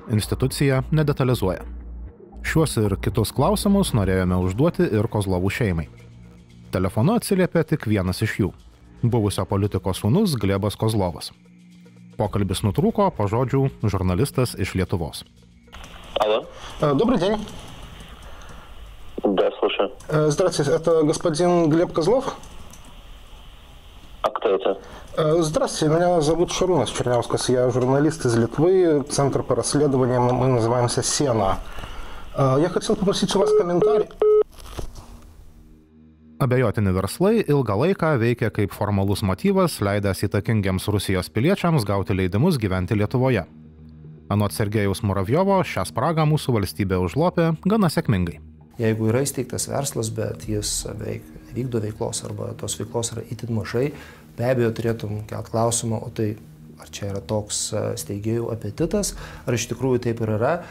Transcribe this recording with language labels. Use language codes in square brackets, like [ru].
[lt] Institucija nedetalizuoja. Šiuos ir kitus klausimus norėjome užduoti ir Kozlovų šeimai. Telefonu atsiliepė tik vienas iš jų – buvusio politiko sūnus Glebas Kozlovas. Pokalbis nutrūko po žodžių žurnalistas iš Lietuvos. [ru] Добрый день. Да, слушаю. Здравствуйте, это господин Глеб Козлов? А кто это? Здравствуйте, меня зовут Шарунас Чернявскас, я журналист из Литвы, центр по расследованиям, мы называемся Сена. Я хотел попросить у вас комментарий. [lt] Abejotini verslai ilgą laiką veikia kaip formalus motyvas, leidęs įtakingiems Rusijos piliečiams gauti leidimus gyventi Lietuvoje. Anot Sergejaus Muravjovo, šią spragą mūsų valstybė užlopė gana sėkmingai. Jeigu yra įsteigtas verslas, bet jis vykdo veiklos arba tos veiklos yra itin mažai, be abejo turėtum kelti klausimą, o tai ar čia yra toks steigėjų apetitas, ar iš tikrųjų taip ir yra.